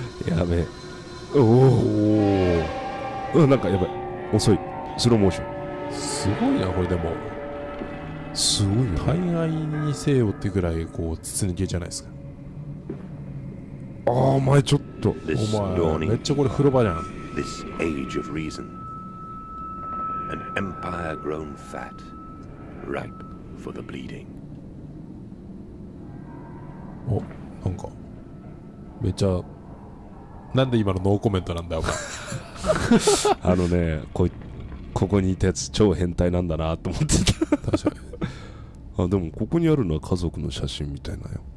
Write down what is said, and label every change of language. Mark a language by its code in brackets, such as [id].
[ja] やべ。おお、なんかやばい。遅い。スローモーション。すごいな、これ。でもすごいよ、ね、大概にせよってぐらいこう筒抜けじゃないですか。あー、お前ちょっと、お前めっちゃこれ風呂場じゃん。 [en] This age of reasonAn empire grown fat, ripe for the bleeding. [ja] お、なんかめっちゃ、なんで今のノーコメントなんだよお前あのね、ここにいたやつ超変態なんだなと思ってた確かにあ、でもここにあるのは家族の写真みたいなよ。